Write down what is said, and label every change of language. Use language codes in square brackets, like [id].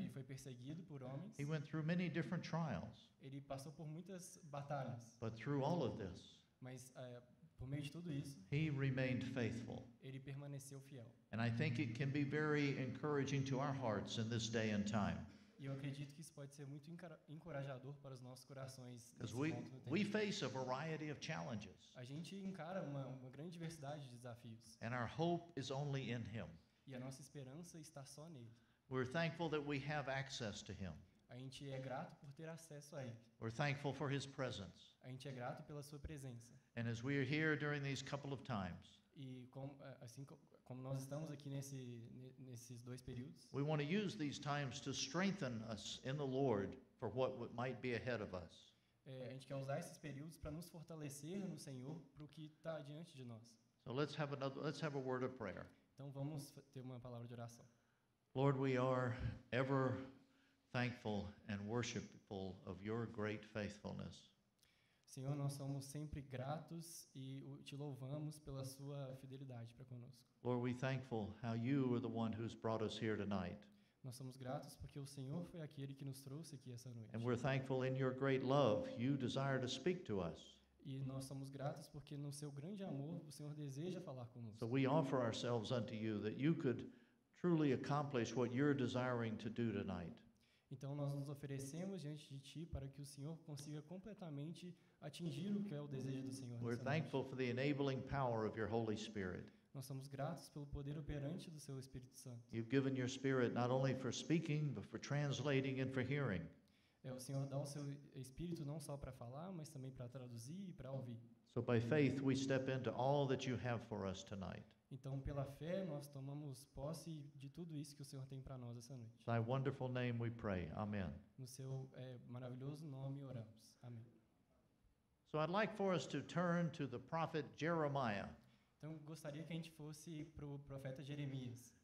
[pt] ele foi perseguido por homens, [en] he went through many different trials, [pt] ele passou por muitas batalhas, [en] but through all of this, [pt] mas por meio de tudo isso, [en] he remained faithful. [pt] Ele permaneceu fiel. [en] And I think it can be very encouraging to our hearts in this day and time. [pt] Eu acredito que isso pode ser muito encorajador para os nossos corações nesse ponto do tempo. [en] We face a variety of challenges. [pt] A gente encara uma grande diversidade de desafios. [en] And our hope is only in him. [pt] E a nossa esperança está só nele. [en] We're thankful that we have access to him. [pt] A gente é grato por ter acesso a ele. [en] We're thankful for his presence. [pt] A gente é grato pela sua presença. [en] And as we are here during these couple of times, [pt] e como nós estamos aqui nesses dois períodos, [en] we want to use these times to strengthen us in the Lord for what might be ahead of us. [pt] A gente quer usar esses períodos para nos fortalecer no Senhor para o que está diante de nós. [en] So let's have a word of prayer. [pt] Então vamos ter uma palavra de oração. [en] Lord, we are ever thankful and worshipful of your great faithfulness. [pt] Senhor, nós somos sempre gratos e te louvamos pela sua fidelidade para conosco. [en] Lord, we're thankful how you are the one who's brought us here tonight. [pt] Nós somos gratos porque o Senhor foi aquele que nos trouxe aqui essa noite. [en] And we're thankful in your great love, you desire to speak to us. [pt] E nós somos gratos porque no seu grande amor, o Senhor deseja falar conosco. [en] So we offer ourselves unto you that you could truly accomplish what you're desiring to do tonight. [pt] Então nós nos oferecemos diante de ti para que o Senhor consiga completamente atingir o que é o desejo do Senhor. [en] We're thankful for the enabling power of your Holy Spirit. [pt] Nós somos gratos pelo poder operante do seu Espírito Santo. [en] You've given your Spirit not only for speaking, but for translating and for hearing. [pt] O Senhor dá o seu Espírito não só para falar, mas também para traduzir e para ouvir. [en] So by faith we step into all that you have for us tonight. [pt] Então pela fé nós tomamos posse de tudo isso que o Senhor tem para nós essa noite. [en] Thy wonderful name we pray. Amen. [pt] No seu maravilhoso nome oramos. Amém. [en] So I'd like for us to turn to the prophet Jeremiah. [pt] Então gostaria que a gente fosse pro profeta Jeremias.